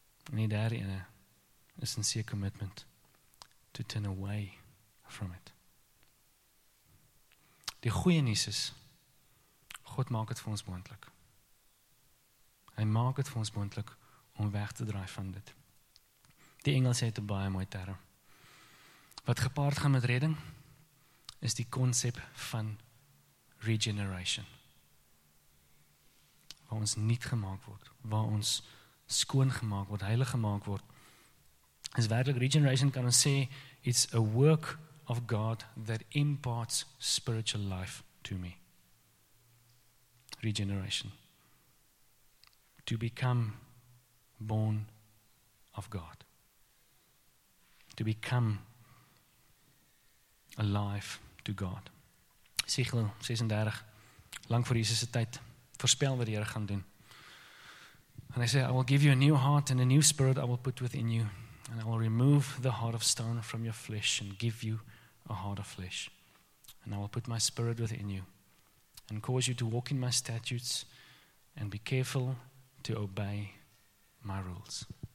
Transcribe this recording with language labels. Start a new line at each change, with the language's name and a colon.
Afrikaans: En die derde ene is een
English: sincere commitment to turn away from it.
Afrikaans: Die goeie nuus is, God maak het vir ons moontlik. Hy maak het vir ons moontlik om weg te draai van dit. Die Engels het 'n baie mooi term. Wat gepaard gaan met redding, is die konsep van regeneration. Waar ons nuut gemaak word, waar ons skoon gemaak word, heilig gemaak word. Is werklik
English: regeneration,
Afrikaans: kan ons sê,
English: it's a work of God that imparts spiritual life to me. Regeneration. To become born of God. To become alive to God.
Afrikaans: Siegel 36, lang voor Jesus' tyd, voorspel wat die Here gaan doen.
English: And I say, I will give you a new heart and a new spirit I will put within you. And I will remove the heart of stone from your flesh and give you a heart of flesh. And I will put my spirit within you and cause you to walk in my statutes and be careful to obey my rules.